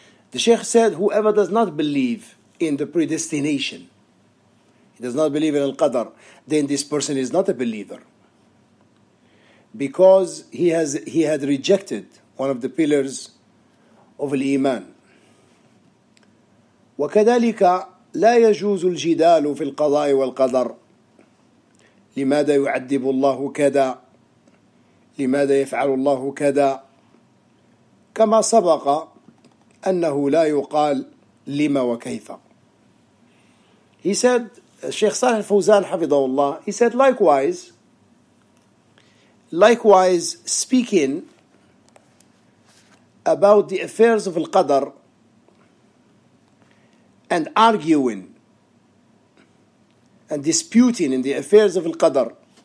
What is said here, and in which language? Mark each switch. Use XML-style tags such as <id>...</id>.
<en>The Sheikh said, whoever does not believe in the predestination, he does not believe in Al-Qadr, then this person is not a believer. Because he had rejected one of the pillars of al-Iman.</en> <ar>وكذلك لا يجوز الجدال في القضاء والقدر. لماذا يعذب الله كذا؟ لماذا يفعل الله كذا؟ كما سبق أنه لا يقال لما وكيف.</ar> <en>He said, Sheikh Saleh Fawzan</en> <ar>حفظه الله,</ar> <en>he said, likewise, speaking about the affairs of al-qadr and arguing and disputing in the affairs of al-qadr.</en>